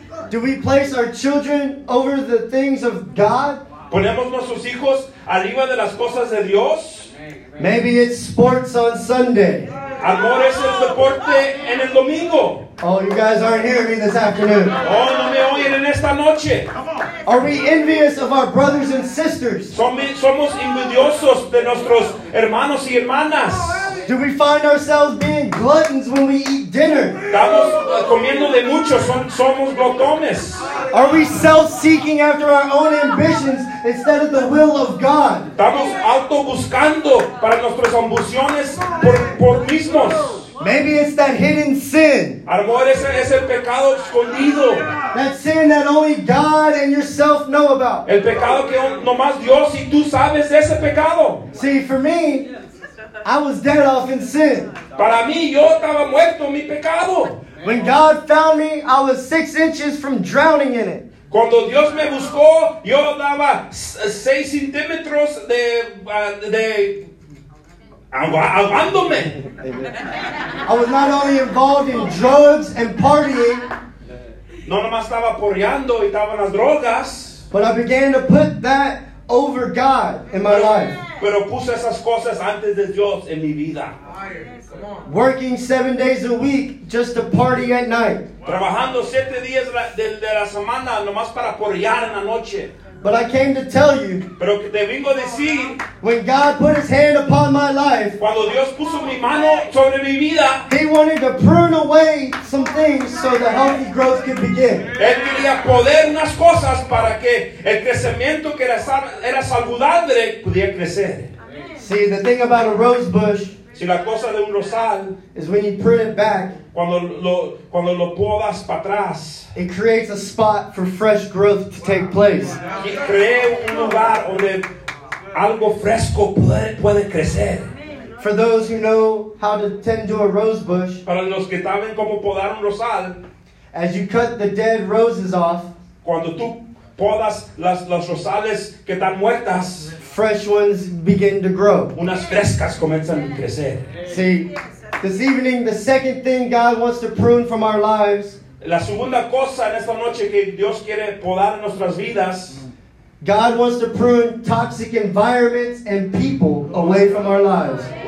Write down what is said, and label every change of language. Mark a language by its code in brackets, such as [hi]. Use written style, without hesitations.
[en] Do we place our children over the things of God? [es] ¿Ponemos nuestros hijos arriba de las cosas de Dios? [en] Maybe it's sports on Sunday. [es] A lo mejor es el deporte en el domingo. [en] Oh, you guys aren't hearing me this afternoon. [es] Oh, no me oyen en esta noche. [en] Are we envious of our brothers and sisters? [es] Somos envidiosos de nuestros hermanos y hermanas. [en] Do we find ourselves being gluttons when we eat dinner? [es] Estamos comiendo de mucho, somos glotones. [en] Are we self-seeking after our own ambitions instead of the will of God? [es] Estamos auto-buscando para nuestras ambiciones por mismos. [en] Maybe it's that hidden sin. [es] A lo mejor es el pecado escondido. [en] That sin that only God and yourself know about. [es] El pecado que nomás Dios y tú sabes ese pecado. [en] See, for me, I was dead off in sin. [es] Para mí, yo estaba muerto en mi pecado. [en] When God found me, I was 6 inches from drowning in it. [es] Cuando Dios me buscó, yo daba 6 centímetros de ahogándome. [en] I was not only involved in drugs and partying. [es] No nomás estaba porreando y estaba en las drogas. [en] But I began to put that over God in my life. [es] Pero puse esas cosas antes de Dios en mi vida. [en] Working 7 days a week just to party at night. [es] Trabajando 7 días de la semana nomás para porrear en la noche. [en] But I came to tell you, [es] pero te vengo a decir, [en] when God put his hand upon my life, [es] cuando Dios puso mi mano sobre mi vida, [en] he wanted to prune away some things so the healthy growth could begin. [es] Él quería poder unas cosas para que el crecimiento que era saludable pudiera crecer. [en] See, the thing about a rose bush, [es] si la cosa de un rosal, [en] is when you prune it back, [es] cuando lo podas para atrás, [en] it creates a spot for fresh growth to take place. [es] Crea un lugar donde algo fresco puede crecer. [en] For those who know how to tend to a rose bush, [es] para los que saben cómo podar un rosal, [en] as you cut the dead roses off, [es] cuando tú podas las rosales que están muertas, [en] fresh ones begin to grow. [es] Unas frescas comienzan a crecer. [en] See, this evening, the second thing God wants to prune from our lives. [es] La segunda cosa en esta noche que Dios quiere podar en nuestras vidas. [en] God wants to prune toxic environments and people away from our lives.